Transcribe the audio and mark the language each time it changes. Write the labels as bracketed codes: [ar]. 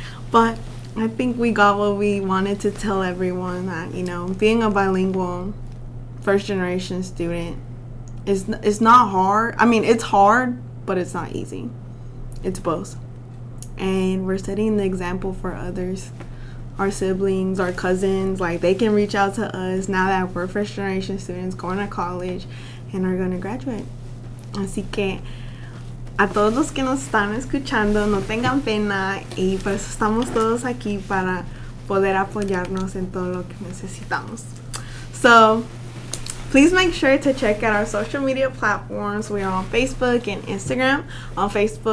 [en] But I think we got what we wanted to tell everyone, that, you know, being a bilingual first generation student is not hard. I mean, it's hard, but it's not easy. It's both. And we're setting the example for others, our siblings, our cousins, like, they can reach out to us now that we're first generation students going to college and are going to graduate. [es] Así que a todos los que nos están escuchando, no tengan pena, y por eso estamos todos aquí, para poder apoyarnos en todo lo que necesitamos. [en] So, please make sure to check out our social media platforms. We are on Facebook and Instagram. On Facebook,